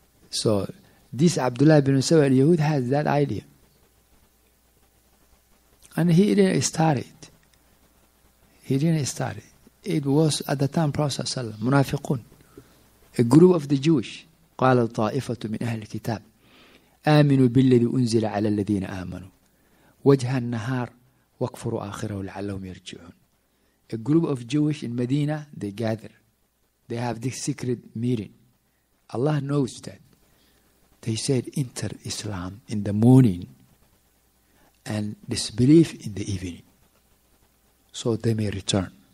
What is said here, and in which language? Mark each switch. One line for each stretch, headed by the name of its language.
English: So, this Abdullah ibn Sawal Yahud has that idea. And he didn't start it. He didn't start it. It was at the time Prophet ﷺ, Munafiqun, a group of the Jewish.
Arabic: قال الطائفة من أهل الكتاب آمنوا بالذي أنزل على الذين آمنوا وجه النهار واكفروا آخره لعلهم يرجعون.
English: A group of Jewish in Medina, they gather. They have this secret meeting. Allah knows that. They said, enter Islam in the morning and disbelief in the evening. So they may return.